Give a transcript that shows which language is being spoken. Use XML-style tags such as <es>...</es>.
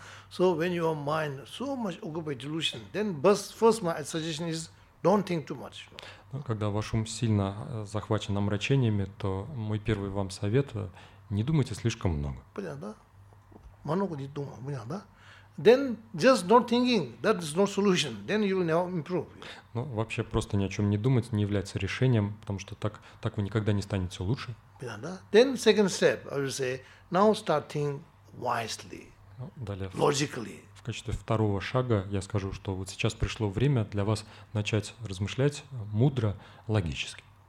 <en>So when your mind so much occupied delusion, then first my suggestion is don't think too much.</en> <ru>Когда ваш ум сильно захвачен омрачениями, то мой первый вам совет: не думайте слишком много. Много не думай, понятно?</ru> <en>Then just not thinking, that is no solution. Then you will never improve.</en> <ru>Ну, вообще просто ни о чем не думать не является решением, потому что так вы никогда не станете лучше.</ru> <en>Then second step, I will say, now start thinking wisely, logically.</en> <ru>В качестве второго шага я скажу, что вот сейчас пришло время для вас начать размышлять мудро, логически.</ru>